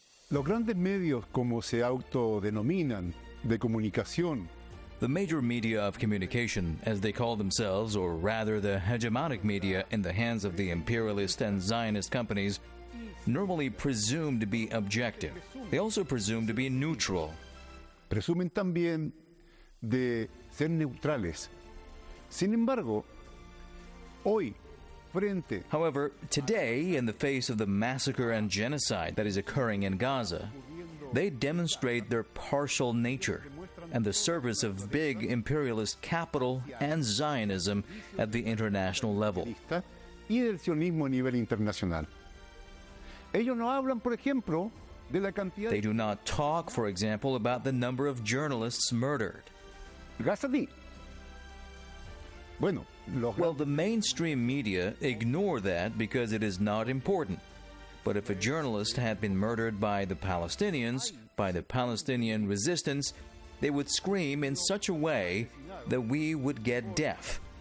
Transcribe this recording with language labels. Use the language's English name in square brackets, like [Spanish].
[Spanish] Los grandes medios, como se autodenominan, de comunicación. [English] The major media of communication, as they call themselves, or rather the hegemonic media in the hands of the imperialist and Zionist companies, normally presume to be objective. They also presume to be neutral. [Spanish] Presumen también de ser neutrales. Sin embargo, hoy, [English] however, today, in the face of the massacre and genocide that is occurring in Gaza, they demonstrate their partial nature and the service of big imperialist capital and Zionism at the international level. [Spanish] Y del sionismo a nivel internacional. Ellos no hablan, por ejemplo, de la cantidad. [English] They do not talk, for example, about the number of journalists murdered. [Spanish] Gazadí. Bueno. [English] Well, the mainstream media ignore that because it is not important. But if a journalist had been murdered by the Palestinians, by the Palestinian resistance, they would scream in such a way that we would get deaf.